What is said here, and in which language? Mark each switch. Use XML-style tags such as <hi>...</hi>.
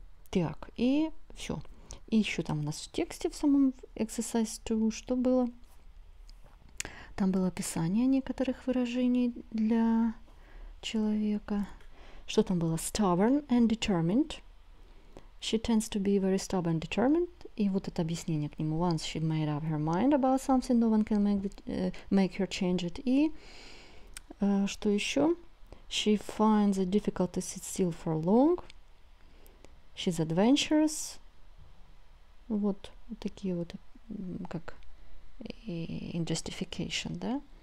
<ru>Так, и все. И еще там у нас в тексте, в самом exercise 2, что было? Там было описание некоторых выражений для человека. Что там было? Stubborn and determined.</ru> <en>She tends to be very stubborn and determined.</en> <ru>И вот это объяснение к нему.</ru> <en>Once she made up her mind about something, no one can make her change it.</en> <ru>И что еще?</ru> <en>She finds it difficult to sit still for long. She's adventurous.</en> <ru>Вот такие вот, как in justification, да?</ru>